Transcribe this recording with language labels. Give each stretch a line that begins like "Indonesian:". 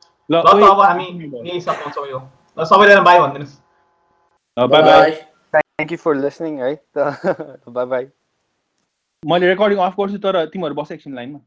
Nepali: ल अब हामी यही सकाउँछौँ यो, सबैलाई बाई भनिदिनुहोस्। By by,
English: Thank you for listening है। Bye bye.
Nepali: मैले रेकर्डिङ अफ गर्छु तर तिमीहरू बस एकछिन लाइनमा।